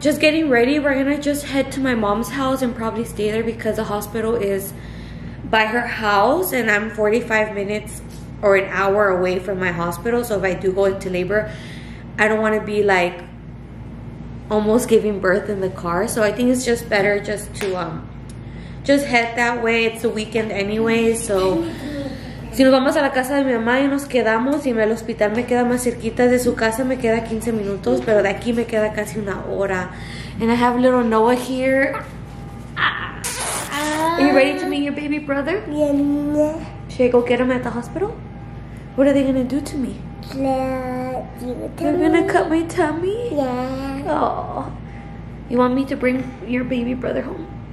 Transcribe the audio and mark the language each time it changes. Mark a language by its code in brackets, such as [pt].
[en] Just getting ready, we're gonna just head to my mom's house and probably stay there because the hospital is by her house and I'm 45 minutes or an hour away from my hospital. So if I do go into labor, I don't wanna be like almost giving birth in the car. So I think it's just better just to just head that way. It's the weekend anyway, so. [es] Si nos vamos a la casa de mi mamá y nos quedamos y el hospital me queda más cerquita de su casa, me queda 15 minutos, pero de aquí me queda casi una hora. [en] And I have little Noah here. Are you ready to meet your baby brother? Yeah. Should I go get him at the hospital? What are they going to do to me? They're going to cut my tummy? Yeah. Oh. You want me to bring your baby brother home?